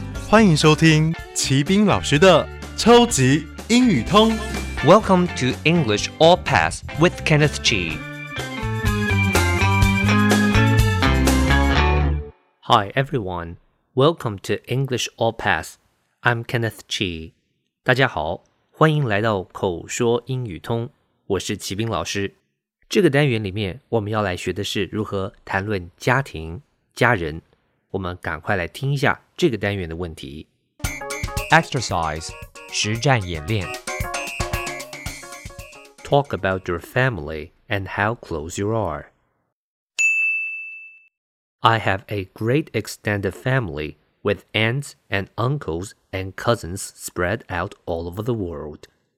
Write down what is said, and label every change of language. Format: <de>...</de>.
<zh>欢迎收听齐宾老师的超级英语通。</zh> <en>Welcome to English All Pass with Kenneth G. Hi, everyone. Welcome to English All Pass. I'm Kenneth Chi.</en> <zh>大家好，欢迎来到口说英语通。我是齐宾老师。这个单元里面，我们要来学的是如何谈论家庭、家人。我们赶快来听一下这个单元的问题。</zh> <en>Exercise</en> <zh>实战演练。</zh> <en>Talk about your family and how close you are. I have a great extended family with aunts and uncles and cousins spread out all over the world.</en>